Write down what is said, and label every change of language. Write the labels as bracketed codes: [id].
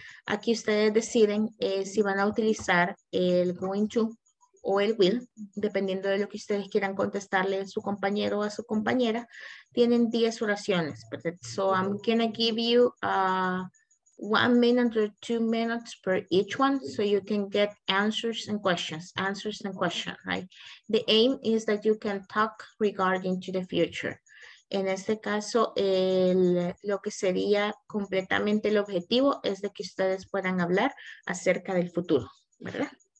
[es] Aquí ustedes deciden si van a utilizar el going to o el will, dependiendo de lo que ustedes quieran contestarle a su compañero o a su compañera. Tienen 10 oraciones, ¿verdad? [en] So I'm gonna give you 1 minute or 2 minutes per each one, so you can get answers and questions, right? The aim is that you can talk regarding to the future. [es] En este caso, lo que sería completamente el objetivo es de que ustedes puedan hablar acerca del futuro, ¿verdad?